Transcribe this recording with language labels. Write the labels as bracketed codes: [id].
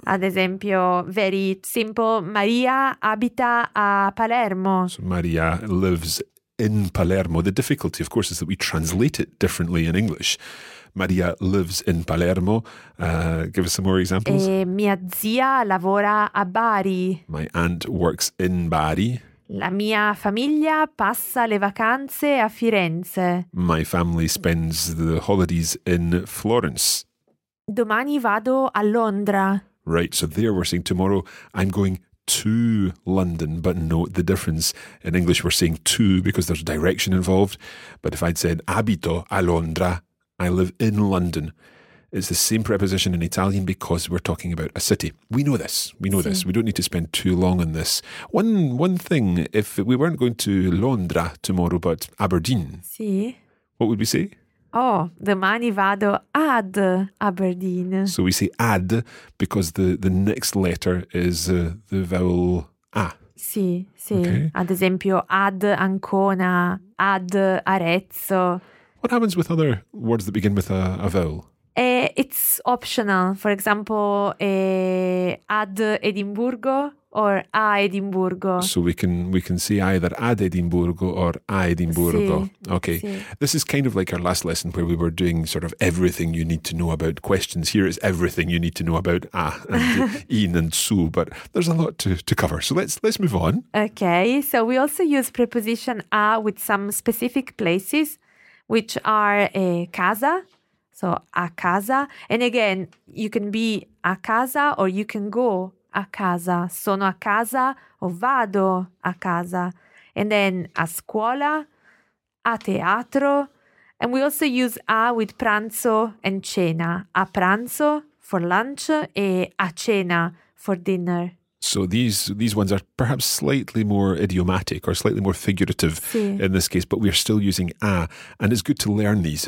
[it] Ad esempio, [en] very simple, [it] Maria abita a Palermo. [en] So Maria lives in Palermo. The difficulty, of course, is that we translate it differently in English. Maria lives in Palermo. Give us some more examples. [it] Mia zia lavora a Bari. [en] My aunt works in Bari. [it] La mia famiglia passa le vacanze a Firenze. [en] My family spends the holidays in Florence. [it] Domani vado a Londra. [en] Right, so there we're saying tomorrow I'm going to London, but note the difference. In English we're saying to because there's direction involved, but if I'd said [it] abito a Londra, [en] I live in London. It's the same preposition in Italian because we're talking about a city. We know this. We know this. We don't need to spend too long on this. One thing, if we weren't going to Londra tomorrow, but Aberdeen, what would we say? [it] Oh, domani vado ad Aberdeen. [en] So we say ad because the next letter is the vowel a. [it] Sì, sì. Okay. Ad esempio, ad Ancona, ad Arezzo. [en] What happens with other words that begin with a vowel? It's optional. For example, [it] ad Edimburgo [en] or [it] a Edimburgo. [en] So we can say either [it] ad Edimburgo [en] or [it] a Edimburgo. Sì. [en] Okay. [it] Sì. [en] This is kind of like our last lesson where we were doing sort of everything you need to know about questions. Here is everything you need to know about a and in and su, but there's a lot to cover. So let's move on. Okay. So we also use preposition a with some specific places, which are a casa, so a casa. And again, you can be a casa or you can go a casa. [it] Sono a casa o vado a casa. [en] And then [it] a scuola, a teatro, [en] And we also use a with pranzo and cena. [it] A pranzo [en] for lunch [it] e a cena [en] for dinner. So these ones are perhaps slightly more idiomatic or slightly more figurative si. In this case, but we are still using a. And it's good to learn these.